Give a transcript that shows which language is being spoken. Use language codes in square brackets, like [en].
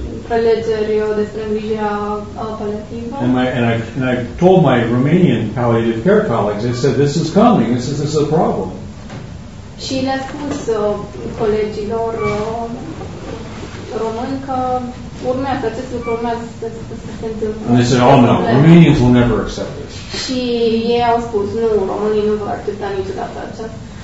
[ro] prelegeri despre îngrijirea paliativă. [en] And I told my Romanian palliative care colleagues, I said, this is coming, this is a problem. [ro] Și le-a spus colegilor români că urmează, acest lucru urmează să se întâmple. [en] And they said, oh no, Romanians will never accept this. [ro] Și ei au spus, nu, românii nu vor accepta niciodată aceasta.